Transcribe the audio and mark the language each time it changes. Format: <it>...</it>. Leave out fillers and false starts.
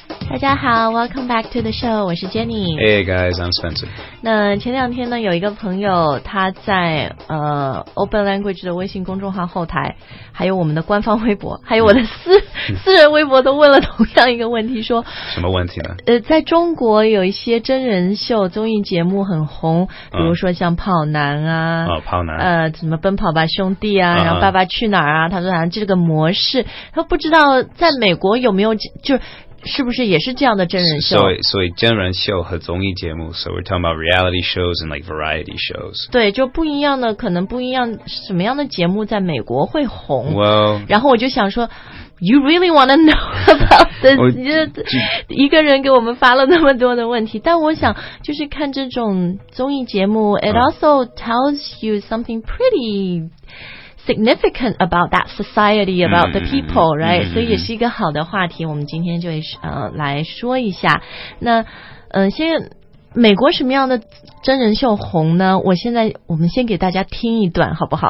<zh>大家好</zh> <en>，Welcome back to the show。</en> <zh>我是 Jenny。</zh> <en>Hey guys, I'm Spencer。</en> <zh>那前两天呢，有一个朋友他在Open Language 的微信公众号后台，还有我们的官方微博，还有我的私人微博，都问了同样一个问题，说什么问题呢？在中国有一些真人秀综艺节目很红，比如说像跑男啊，跑男，什么奔跑吧兄弟啊，然后爸爸去哪儿啊，他说好像这个模式，他不知道在美国有没有是不是也是这样的真人秀？所以真人秀和综艺节目</zh> <en>，so we're talking about reality shows and like variety shows。</en> <zh>对，就不一样的，可能不一样，什么样的节目在美国会红</zh> <en>？Well，</en> <zh>然后我就想说</zh> <en>，You really want to know about this？</en> <zh>一个人给我们发了那么多的问题，但我想就是看这种综艺节目 ，</zh> <en>it also tells you something pretty。 significant about that society, about the people, right?</en> <zh>所以也是一个好的话题，我们今天就来说一下。那先美国什么样的真人秀红呢？我们先给大家听一段好不好？</zh>